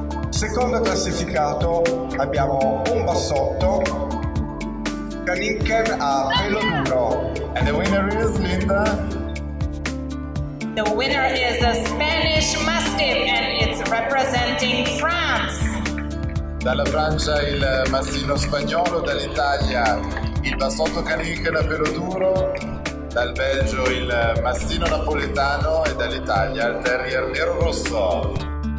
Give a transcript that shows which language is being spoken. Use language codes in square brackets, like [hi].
[it] Secondo classificato abbiamo un bassotto, Kalinken a pelo duro. [en] And the winner is Linda. The winner is a Spanish Mastiff and it's representing France. [it] Dalla Francia il mastino spagnolo, dall'Italia il bassotto Kalinken a pelo duro, dal Belgio il mastino napoletano e dall'Italia il terrier nero rosso.